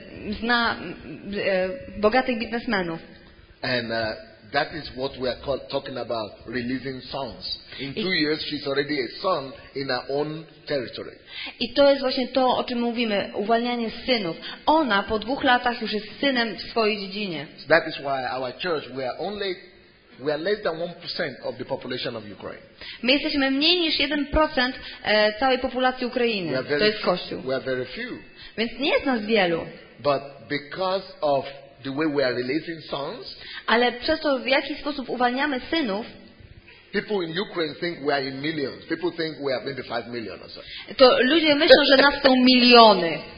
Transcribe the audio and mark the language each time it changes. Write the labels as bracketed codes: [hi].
[pl] Zna bogatych biznesmenów. [en] And that is what we are talking about, releasing sons. In 2 years, she's already a son in her own territory. [pl] I to jest właśnie to, o czym mówimy, uwalnianie synów. Ona po 2 latach już jest synem w swojej dziedzinie. [en] So that is why our church, we are less than 1% of the population of Ukraine. [pl] My jesteśmy mniej niż 1% całej populacji Ukrainy. To jest Kościół. [en] We are very few. [pl] Więc nie jest nas wielu. [en] But because of the way we are releasing sons. [pl] Ale przez to, w jaki sposób uwalniamy synów. [en] People in Ukraine think we are in millions. People think we are maybe 5 million or so. [pl] To ludzie myślą, że nas są miliony.